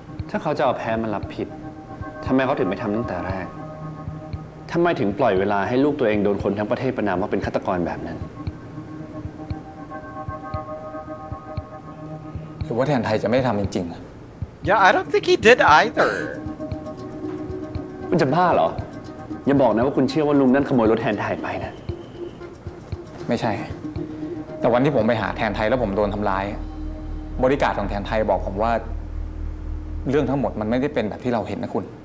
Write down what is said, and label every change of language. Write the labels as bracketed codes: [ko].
[th] ถ้าเขาจะเอาแพ้มารับผิดทำไมเขาถึงไม่ทำตั้งแต่แรกทำไมถึงปล่อยเวลาให้ลูกตัวเองโดนคนทั้งประเทศประนามว่าเป็นฆาตกรแบบนั้น หรือว่าแทนไทยจะไม่ทำจริง [en] ๆ Yeah, I don't think he did either [th] คุณจะบ้าเหรออย่าบอกนะว่าคุณเชื่อว่าลุงนั่นขโมยรถแทนไทยไปนะ ไม่ใช่แต่วันที่ผมไปหาแทนไทยแล้วผมโดนทำร้ายบริการของแทนไทยบอกผมว่าเรื่องทั้งหมดมันไม่ได้เป็นแบบที่เราเห็นนะคุณ